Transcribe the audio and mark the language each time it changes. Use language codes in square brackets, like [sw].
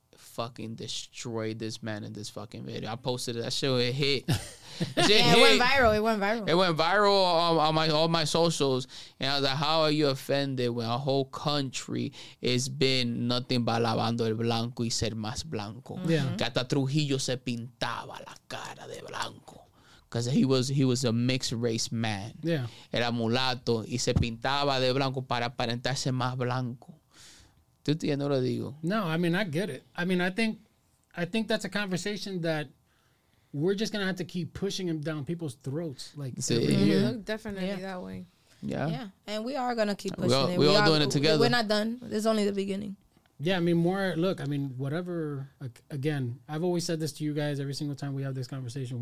[en] fucking destroyed this man in this fucking video. I posted it. That shit, it hit. It went viral on all my socials. And I was like, how are you offended when a whole country has been nothing but [es] lavando el blanco y ser más blanco? [en] Yeah. Mm-hmm. [es] Que hasta Trujillo se pintaba la cara de blanco. [en] Because he was a mixed race man. Yeah. [es] Era mulato y se pintaba de blanco para aparentarse más blanco. ¿Tú entiendes lo digo? [en] No, I mean, I get it. I mean, I think that's a conversation that we're just going to have to keep pushing him down people's throats. Like, definitely that way. Yeah. And we are going to keep pushing it. We're all doing it together. We're not done. This is only the beginning. Yeah, I mean, again, I've always said this to you guys every single time we have this conversation.